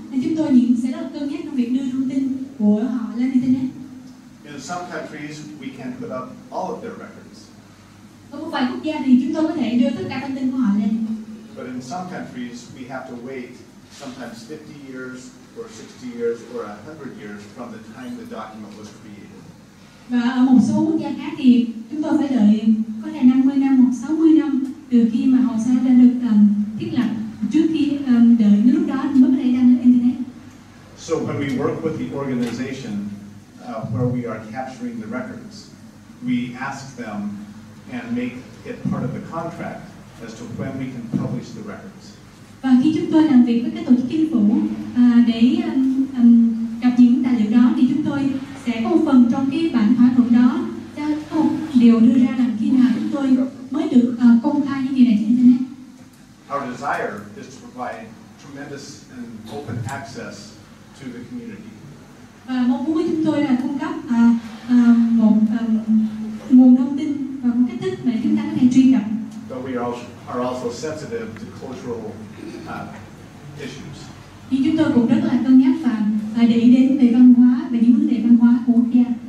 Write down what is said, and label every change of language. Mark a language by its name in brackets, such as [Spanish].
[Vietnamese] Nên chúng tôi sẽ rất cân nhắc trong việc đưa thông tin của họ lên internet. [English] In some countries, we can put up all of their records. [Vietnamese] Ở một vài quốc gia thì chúng tôi có thể đưa tất cả thông tin của họ lên. [English] But in some countries, we have to wait sometimes 50 years or 60 years or 100 years from the time the document was created. [Vietnamese] Và ở một số quốc gia khác thì chúng tôi phải đợi có thể 50 năm hoặc 60 năm từ khi mà hồ sơ đã được thiết lập trước khi đợi lúc đó mới có thể đăng lên internet. [English] So when we work with the organization where we are capturing the records, we ask them and make it part of the contract as to when we can publish the records. [Vietnamese] Và khi chúng tôi làm việc với các tổ chức chính phủ để cập nhật những tài liệu đó thì chúng tôi sẽ sẽ có một phần trong cái bản thỏa thuận đó. Có một điều đưa ra là khi nào chúng tôi mới được công khai những gì này trên internet. [English] Our desire is to provide tremendous and open access to the community. [Vietnamese] Và mong muốn của chúng tôi là cung cấp một nguồn thông tin và một cách thức để chúng ta có thể truy cập. [English] But we are also sensitive to cultural issues. [Vietnamese] Thì chúng tôi cũng rất là cân nhắc và để ý đến về văn hóa, về những vấn đề văn hóa của quốc gia.